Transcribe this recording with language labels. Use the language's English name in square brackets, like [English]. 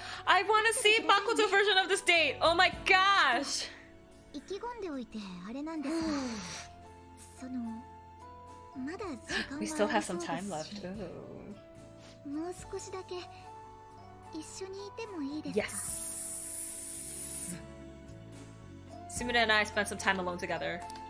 [English] I want to see Makoto version of this date. Oh my gosh. [Japanese] 意気込んでおいてあれなんです。そのまだ時間は [English] We still have some time left. [Japanese] もう少しだけ一緒にいてもいいですか? [English] Yes. Sumire and I spent some time alone together.